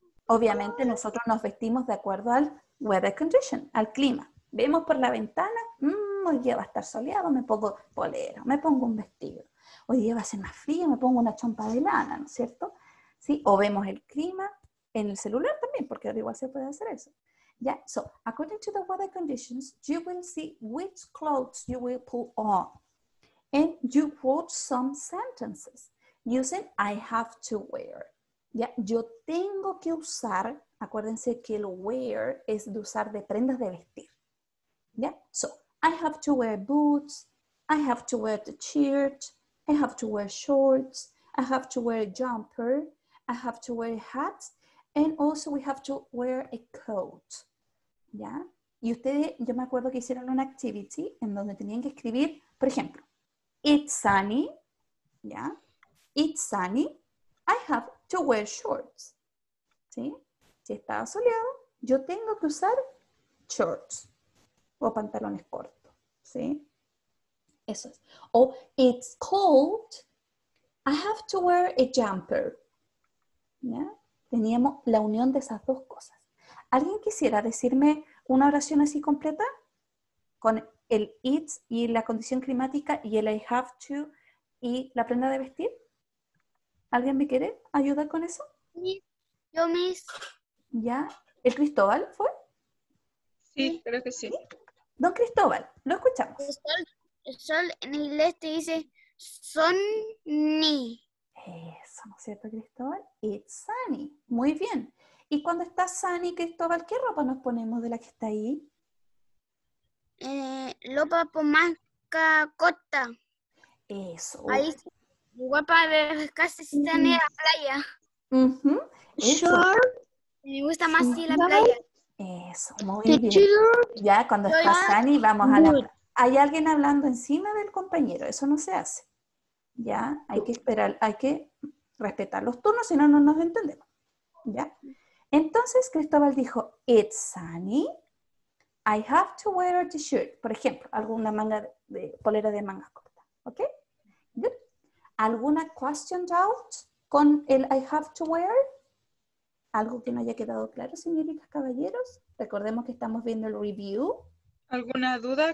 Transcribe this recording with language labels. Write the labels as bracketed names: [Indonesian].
[Spanish] Obviamente nosotros nos vestimos de acuerdo al weather condition, al clima. Vemos por la ventana, hoy día va a estar soleado, me pongo polera, me pongo un vestido. Hoy día va a ser más frío, me pongo una chompa de lana, ¿no es cierto? ¿Sí? O vemos el clima en el celular también, porque ahora igual se puede hacer eso. ¿Ya? [English] So, according to the weather conditions, you will see which clothes you will put on. And you wrote some sentences using I have to wear. [Spanish] ¿Ya? Yo tengo que usar, acuérdense que el wear es de usar de prendas de vestir. ¿Ya? [English] So, I have to wear boots, I have to wear the shirt, I have to wear shorts, I have to wear a jumper, I have to wear a hat, and also we have to wear a coat. [Spanish] ¿Ya? Y ustedes, yo me acuerdo que hicieron una activity en donde tenían que escribir, por ejemplo, [English] it's sunny, [Spanish] ¿ya? [English] It's sunny, I have to wear shorts. [Spanish] ¿Sí? Si está soleado, yo tengo que usar shorts o pantalones cortos. ¿Sí? Eso es. [English] O, it's cold, I have to wear a jumper. [Spanish] ¿Ya? Teníamos la unión de esas dos cosas. ¿Alguien quisiera decirme una oración así completa? Con el it's y la condición climática y el I have to y la prenda de vestir. ¿Alguien me quiere ayudar con eso? Sí, yo mis. ¿Ya? ¿El Cristóbal fue? Sí, creo que sí. ¿Sí? Don Cristóbal, lo escuchamos. El sol en inglés te dice sunny. Eso, ¿no es cierto, Cristóbal? [English] It's sunny. [Spanish] Muy bien. Y cuando está sunny, Cristóbal, ¿qué ropa nos ponemos de la que está ahí? Ropa pomaca corta. Eso. Ahí, guapa, casi si está en la playa. [English] Short. [Spanish] Me gusta más si la playa. Eso, muy bien. Ya, cuando está sunny, vamos a la playa. Hay alguien hablando encima del compañero, eso no se hace. ¿Ya? Hay que esperar, hay que respetar los turnos, si no, no nos entendemos. ¿Ya? Entonces, Cristóbal dijo, [English] it's sunny, I have to wear a t-shirt. [Spanish] Por ejemplo, alguna manga de polera de manga corta. ¿Ok? Good. ¿Alguna question doubt con el I have to wear? ¿Algo que no haya quedado claro, señoritas, caballeros? Recordemos que estamos viendo el review. ¿Alguna duda?